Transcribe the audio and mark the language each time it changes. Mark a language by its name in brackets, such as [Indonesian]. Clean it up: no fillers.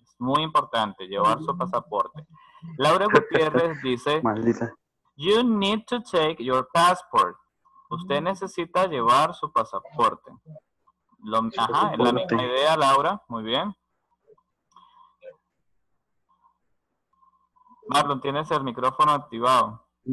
[Spanish] Es muy importante llevar su pasaporte. [English] Laura Gutiérrez dice, you need to take your passport. [Spanish] Usted necesita llevar su pasaporte. Ajá, es la misma idea, Laura. Muy bien. Marlon, tienes el micrófono activado.